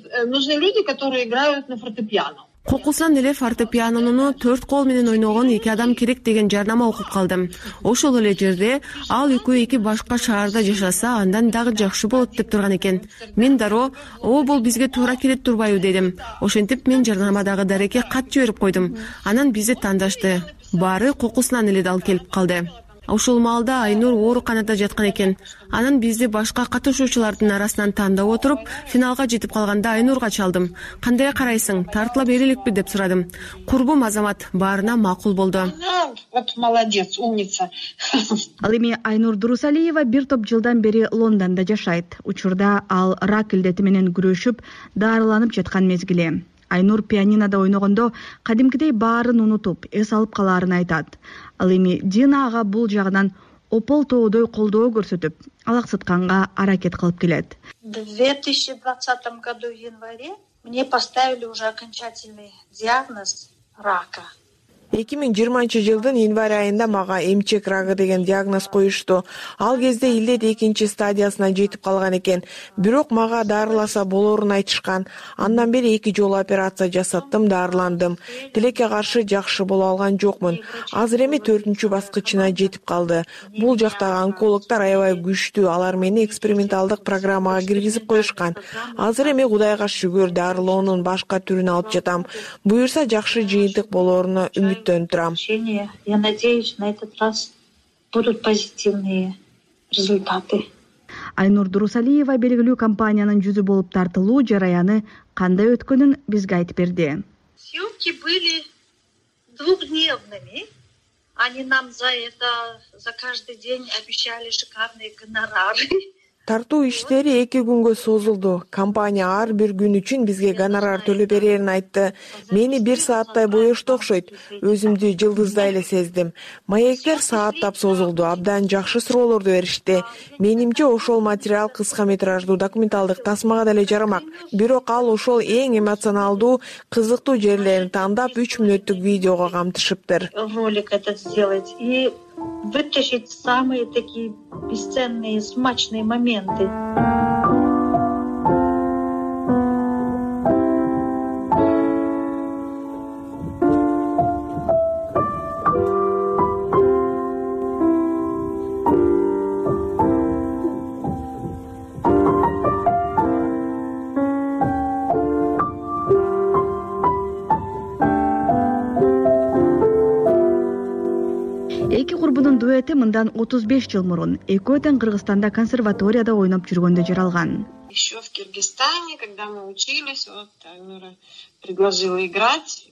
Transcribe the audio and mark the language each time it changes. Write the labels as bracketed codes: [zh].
[ru] Нужны люди, которые играют на фортепиано. [ky] Кокусан эле фортепианонуну 4 кол менен ойногон 2 адам керек деген жарнама окуп калдым. Ошол эле жерде ал экөө эки башка шаарда жашаса, андан дагы жакшы болот деп турган экен. Мен дароо, "Оо, бул бизге туура келет турбайбы?" дедим. Ошентип мен жарнамадагы дареке кат жиберип койдум. Анан бизди тандашты. Баары кокусунан эле дал келип калды. Ошол маалда Айнур ооруканада жаткан экен. Анан бизди башка катышуучулардын арасынан тандап отуруп, финалга жетип калганда Айнурга чалдым. Кандай карайсың, тартыла берилекпи деп сурадым. Курбум Азамат баарына макул болду. [ru] Вот молодец, умница. [ky] Ал эми Айнур Дурусалиева бир топ жылдан бери Лондондо жашайт. Учурда ал рак илдети менен күрөшүп, дарыланып жаткан мезгили. Айнур пианинодо ойногондо кадимкидей баарын унутуп, эс алып калаарын айтат. Ал эми Дина ага бул жагынан опол тоодой колдоо көрсөтүп, алаксытканга аракет кылып келет. [ru] 2020 году в январе мне поставили уже окончательный диагноз рака. [ky] 2020 жылдын январь айында мага эмчек рагы деген диагноз коюшту. Ал кезде илдет экинчи стадиясына жетип калган экен. Бирок мага дарыласа болорун айтышкан. Андан бери 2 жолу операция жасаттым, дарыландым. Тилекке каршы жакшы боло алган жокмун. Азыр эми 4-чү баскычына жетип калды. Бул жактагы онкологтор аябай күчтүү. Алар мени эксперименталдык программага киргизип коюшкан. Азыр эми Кудайга шүгүр, дарылоонун башка түрүн алып жатам. Буюрса жакшы жыйынтык болоруна [ru] Я надеюсь, на этот раз будут позитивные результаты. [ky] Айнур Дурусалиева белгилүү компаниянын жүзү болуп тартылуу жараяны кандай өткөнүн бизге айтып берди. [ru] Съемки были двухдневными. Они нам за это, за каждый день обещали шикарные гонорары. [ky] Тартуу иштери 2 күнгө созулду. Компания ар бир күн үчүн бизге гонорар төлөп берерин айтты. Мени 1 сааттай боёшту окшойт. Өзүмдү жылдыздай эле сездим. Маектер сааттап созулду, абдан жакшы суроолорду беришти. Менимче ошол материал кыска метраждуу документалдык тасмага деле жарамак. Бирок ал ошол эң эмоционалдуу, кызыктуу жерлерин тандап 3 мүнөттүк видеого камтышыптыр. [ru] Ролик этот сделать и вытащить самые такие бесценные, смачные моменты. [ky] Дуэти мындан 35 жыл мурун экөө тең Кыргызстанда консерваторияда ойноп жүргөндө жаралган. [ru] Еще в Кыргызстане, когда мы учились, вот Айнура предложила играть.